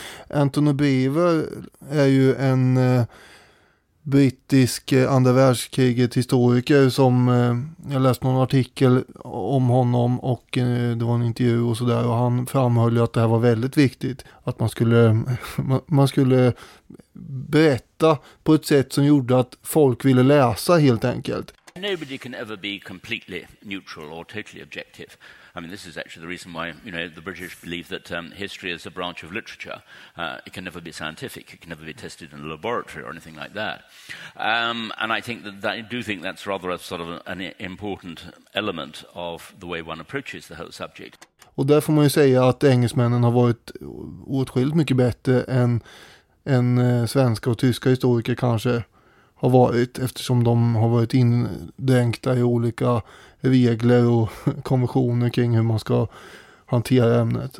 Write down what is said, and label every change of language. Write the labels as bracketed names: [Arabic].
[Swedish] Anthony Beaver är ju en brittisk andra världskriget historiker som, jag läste någon artikel om honom och det var en intervju och sådär, och han framhöll ju att det här var väldigt viktigt, att man skulle berätta på ett sätt som gjorde att folk ville läsa helt enkelt. [English] Nobody can ever be completely neutral or totally objective. I mean, this is actually the reason why, you know, the British believe that history is a branch of literature. It can never be scientific. It can never be tested in a laboratory or anything like that. And I think that I do think that's rather a sort of an important element of the way one approaches the whole subject. [Swedish] Och där får man ju säga att engelsmännen har varit åtskilligt mycket bättre än svenska och tyska historiker kanske har varit, eftersom de har varit indränkta i olika regler och konventioner kring hur man ska hantera ämnet.